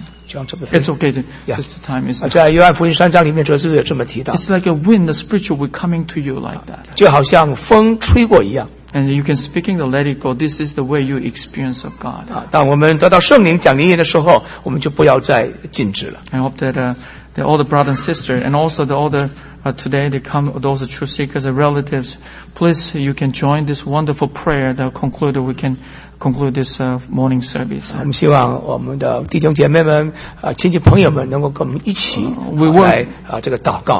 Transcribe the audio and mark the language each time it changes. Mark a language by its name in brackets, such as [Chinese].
[English] It's okay. Yeah. The time is. [Chinese] 在约翰福音三章里面，主耶稣也这么提到。 [English] It's like a wind, the spiritual wind coming to you like that. [Chinese] 就好像风吹过一样。 [English] And you can speaking the let it go. This is the way you experience of God. [Chinese] 当我们得到圣灵讲灵言的时候，我们就不要再禁止了。 [English] I hope that all the brothers and sisters, and also today they come those are true seekers and relatives. Please, you can join this wonderful prayer that conclude. We can. Conclude this morning service. [Chinese] 我们希望我们的弟兄姐妹们、亲戚朋友们能够跟我们一起来这个祷告。